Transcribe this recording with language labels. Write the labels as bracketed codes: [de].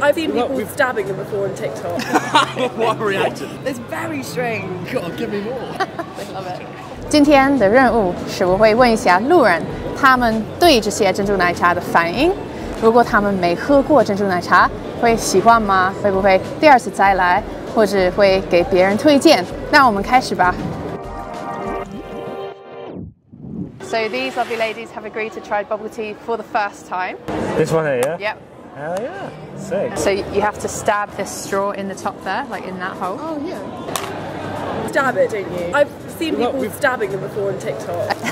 [en] I've seen people stabbing them before on TikTok. What a reaction. It's very strange. God, give me more. They love it. [zh] 今天的任务是我会问一下路人他们对这些珍珠奶茶的反应，如果他们没喝过珍珠奶茶会喜欢吗？会不会第二次再来，或者会给别人推荐？那我们开始吧。 [en] So these lovely ladies have agreed to try bubble tea for the first time. This one here? Yep. Hell yeah, sick. So you have to stab this straw in the top there, like in that hole. Oh yeah. Stab it, don't you? I've seen people stabbing them before on TikTok.